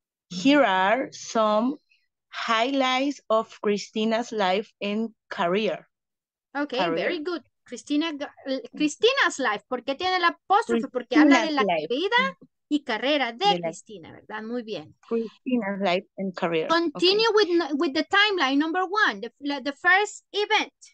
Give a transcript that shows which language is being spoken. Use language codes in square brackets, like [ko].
[en] Here are some highlights of Christina's life and career. Okay. Career. Very good. Cristina's life. [es] ¿Por qué tiene el apóstrofe? Porque habla de la vida y carrera de Cristina, ¿verdad? Muy bien. [en] Cristina's life and career. Continue with the timeline, number one, the first event.